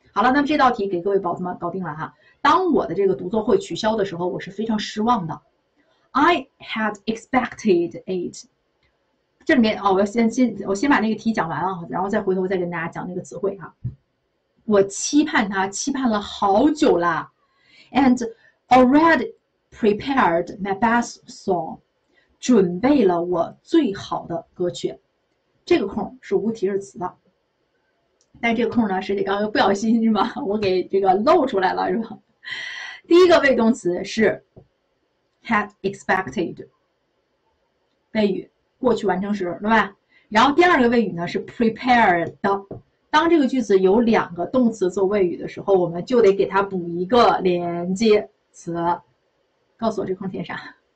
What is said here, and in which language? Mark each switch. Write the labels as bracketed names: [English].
[Chinese] 好了，那么这道题给各位宝子们搞定了哈。当我的这个独奏会取消的时候，我是非常失望的。 [English] I had expected it。 [Chinese] 这里面哦，我先把那个题讲完了，然后再回头再跟大家讲那个词汇哈。我期盼它，期盼了好久啦。 [English] And already prepared my best song， [Chinese] 准备了我最好的歌曲。这个空是无提示词的，但这个空呢，是得刚刚不小心是吧？我给这个漏出来了是吧？第一个谓动词是 had expected，谓语过去完成时对吧？然后第二个谓语呢是 prepared 的。当这个句子有两个动词做谓语的时候，我们就得给它补一个连接词。告诉我这空填啥？